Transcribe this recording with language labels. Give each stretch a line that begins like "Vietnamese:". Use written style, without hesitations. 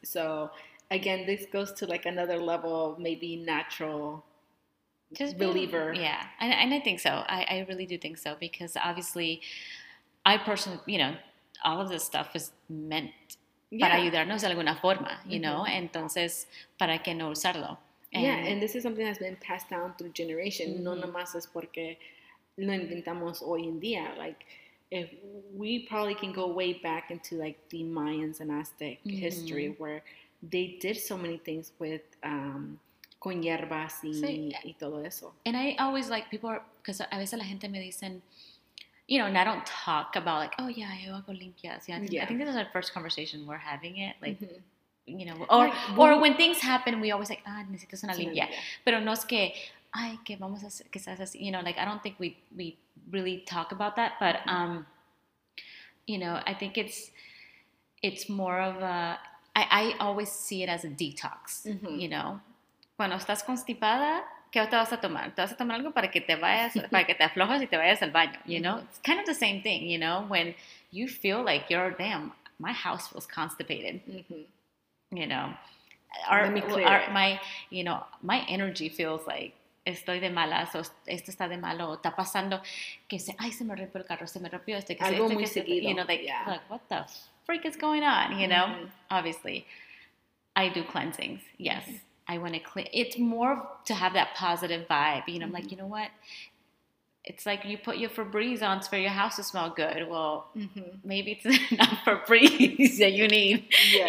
English: So, again, this goes to like another level, maybe natural just believer. And I think so. I really do think so because obviously I personally, you know, all of this stuff is meant
Spanish: para ayudarnos de alguna forma,
English: you know,
Spanish: entonces, ¿para qué no usarlo?
English: And this is something that's been passed down through generation.
Spanish: No nomás es porque lo inventamos hoy en día.
English: Like, if we probably can go way back into like the Mayans and Aztec history where they did so many things with
Spanish: con hierbas y todo eso.
English: And I always like people, because
Spanish: a veces la gente me dicen,
English: you know, and I don't talk about like, oh yeah,
Spanish: yo hago limpias.
English: I think this is our first conversation we're having it. Like, you know, or when things happen, we always like,
Spanish: necesito una limpia. Pero no es que, ay, que vamos a hacer, que estás así.
English: You know, like, I don't think we really talk about that. But, you know, I think it's more of a, I always see it as a detox, you know.
Spanish: Cuando estás constipada, ¿qué te vas a tomar? Te vas a tomar algo para que te vayas, para que te aflojas y te vayas al baño, you know.
English: It's kind of the same thing, you know. When you feel like you're, damn, my house feels constipated, you know. My energy feels like
Spanish: estoy de malas, o esto está de malo, o está pasando, que dice, ay, se me rompió el carro, se me rompió este. Que algo este, muy que seguido. Este,
English: you know, like, like, what the freak is going on, you know? Obviously, I do cleansings. Yes, I want to clean. It's more to have that positive vibe. You know, I'm like, you know what? It's like you put your Febreze on for your house to smell good. Well, maybe it's not Febreze that you need. Yeah.